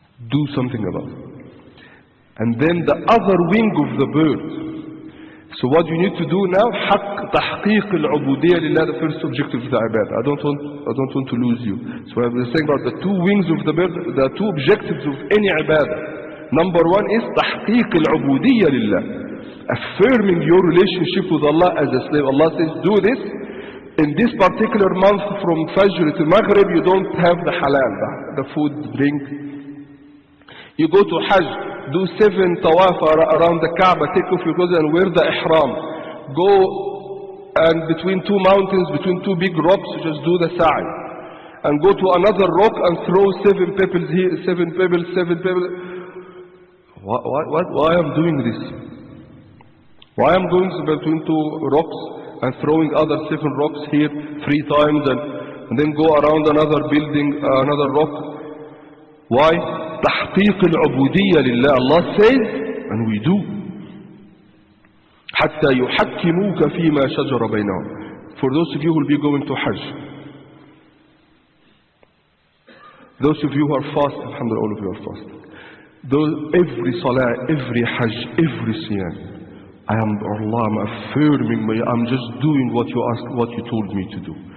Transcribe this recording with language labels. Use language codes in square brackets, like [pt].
[en] Do something about it. And then the other wing of the bird. So what you need to do now, [ar] حق تحقيق العبودية لله, [en] the first objective of the ibadah. I don't want to lose you. So I was saying about the two wings of the bird, the two objectives of any ibadah. Number one is [ar] تحقيق العبودية لله. [en] Affirming your relationship with Allah as a slave. Allah says, do this. In this particular month from Fajr to Maghrib, you don't have the halal, the food, drink. You go to Hajj, do 7 tawaf around the Kaaba, take off your clothes and wear the ihram. Go and between two mountains, between two big rocks, just do the sa'i. And go to another rock and throw 7 pebbles here, 7 pebbles, 7 pebbles. Why am I doing this? Why am I going between two rocks and throwing other 7 rocks here 3 times and then go around another building, another rock? Why? [ar] تحقيق العبودية لله. [en] Allah says, and we do. [ar] حتى يحكموك فيما شجر بينهم. [en] For those of you who will be going to Hajj, those of you who are fasting, alhamdulillah, all of you are fasting. Every salah, every Hajj, every siyam, I am Allah, I'm affirming, I'm just doing what you asked, what you told me to do.